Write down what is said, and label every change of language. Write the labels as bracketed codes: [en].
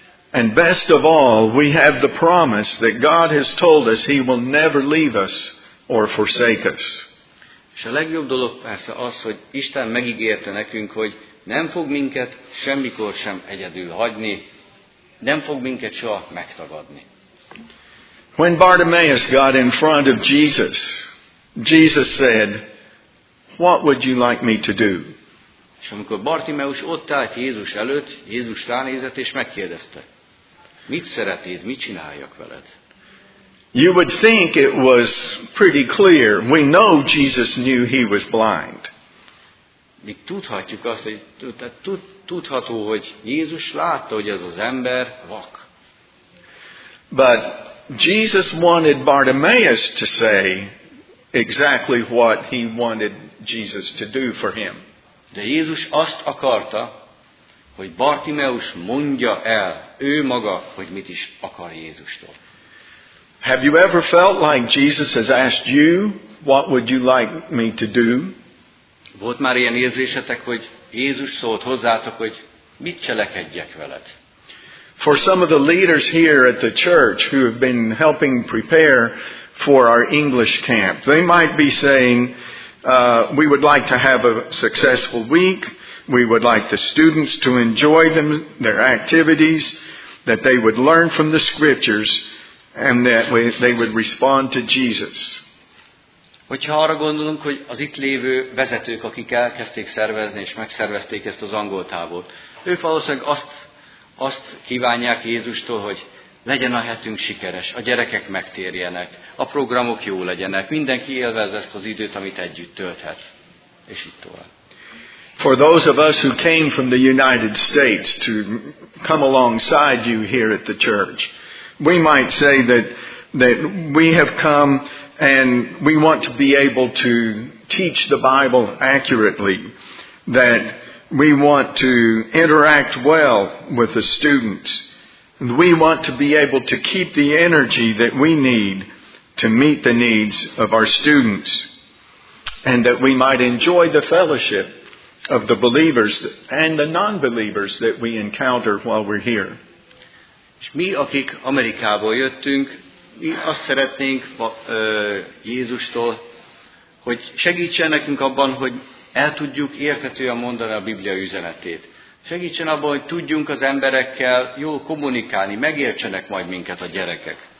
[en] And best of all, we have the promise that God has told us he will never leave us or forsake us. [hu] És a legjobb dolog persze az, hogy Isten megígérte nekünk, hogy nem fog minket semmikor sem egyedül hagyni, nem fog minket soha megtagadni. [en] When Bartimaeus got in front of Jesus, Jesus said, "What would you like me to do?" [hu] És amikor Bartimeus ott állt Jézus előtt, Jézus ránézett és megkérdezte, mit szeretnéd, mit csináljak veled? [en] You would think it was pretty clear. We know Jesus knew he was blind. [hu] Mi tudhatjuk azt, hogy tudható, hogy Jézus látta, hogy ez az ember vak. [en] But Jesus wanted Bartimaeus to say exactly what he wanted Jesus to do for him. [hu] De Jézus azt akarta, hogy Bartimeus mondja el ő maga, hogy mit is akar Jézustól. [en] Have you ever felt like Jesus has asked you, what would you like me to do? [hu] Volt már ilyen érzésetek, hogy Jézus szólt hozzátok, hogy mit cselekedjek veled? [en] For some of the leaders here at the church who have been helping prepare for our English camp, they might be saying, we would like to have a successful week. We would like the students to enjoy them, their activities, that they would learn from the scriptures, and that they would respond to Jesus. [hu] Hogyha arra gondolunk, hogy az itt lévő vezetők, akik elkezdték szervezni és megszervezték ezt az angoltábort, ők valószínűleg azt kívánják Jézustól, hogy legyen a hetünk sikeres, a gyerekek megtérjenek, a programok jó legyenek, mindenki élvezze ezt az időt, amit együtt tölthet, és itt tovább. [en] For those of us who came from the United States to come alongside you here at the church, we might say that we have come and we want to be able to teach the Bible accurately, that we want to interact well with the students, and we want to be able to keep the energy that we need to meet the needs of our students, and that we might enjoy the fellowship of the believers and the non-believers that we encounter while we're here. [hu] És mi, akik Amerikából jöttünk, mi azt szeretnénk Jézustól, hogy segítsen nekünk abban, hogy el tudjuk érthetően mondani a Biblia üzenetét. Segítsen abban, hogy tudjunk az emberekkel jól kommunikálni, megértsenek majd minket a gyerekek.